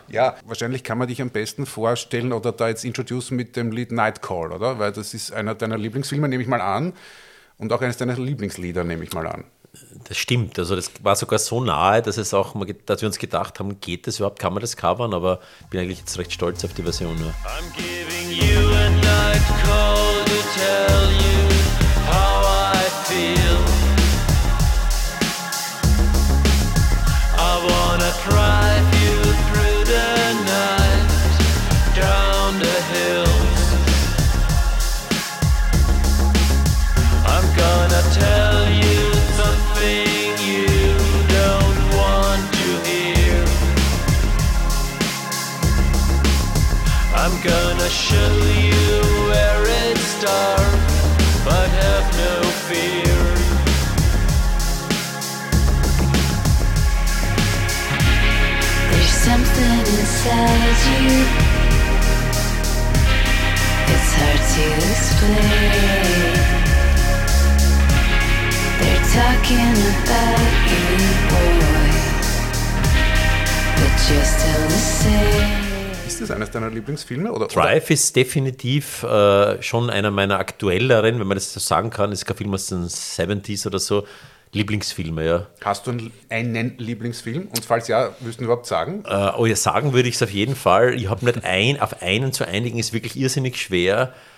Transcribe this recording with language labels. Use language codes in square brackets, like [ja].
[de] Ja, wahrscheinlich kann man dich am besten vorstellen oder da jetzt introducen mit dem Lied Nightcall, oder? Weil das ist einer deiner Lieblingsfilme, nehme ich mal an. Und auch eines deiner Lieblingslieder, nehme ich mal an. Das stimmt. Also das war sogar so nahe, dass es auch, dass wir uns gedacht haben, geht das überhaupt, kann man das covern? Aber ich bin eigentlich jetzt recht stolz auf die Version nur. [en] I'm giving you a night call to tell you how I feel. I wanna drive you through the night, down the hills. I'm gonna tell you something you don't want to hear. I'm gonna show you where it's dark, but have no fear. Something inside you, it's hard to explain. They're talking about you, boy, but you're still the same. [de] Ist das eines deiner Lieblingsfilme? Oder, Drive ist definitiv schon einer meiner aktuelleren, wenn man das so sagen kann. Ist kein Film aus den 70s oder so. Lieblingsfilme, ja. Hast du einen Lieblingsfilm? Und falls ja, würdest du überhaupt sagen? Sagen würde ich es auf jeden Fall. Ich habe nicht auf einen zu einigen, ist wirklich irrsinnig schwer.